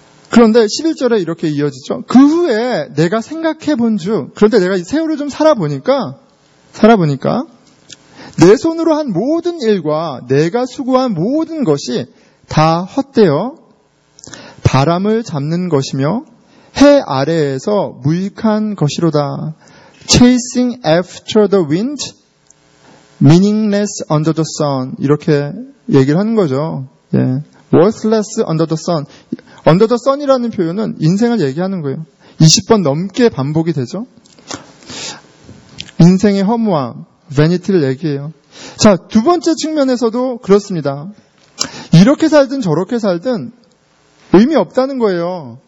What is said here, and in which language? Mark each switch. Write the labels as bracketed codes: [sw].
[ko] 그런데 11절에 이렇게 이어지죠. 그 후에 내가 생각해 본 즉, 그런데 내가 세월을 좀 살아보니까 내 손으로 한 모든 일과 내가 수고한 모든 것이 다 헛되어 바람을 잡는 것이며 해 아래에서 무익한 것이로다. [en] Chasing after the wind, meaningless under the sun. [ko] 이렇게 얘기를 하는 거죠. [en] 예. Worthless under the sun. Under the sun이라는 [ko] 표현은 인생을 얘기하는 거예요. 20번 넘게 반복이 되죠. 인생의 허무함, vanity를 얘기해요. 자, 두 번째 측면에서도 그렇습니다. 이렇게 살든 저렇게 살든 의미 없다는 거예요.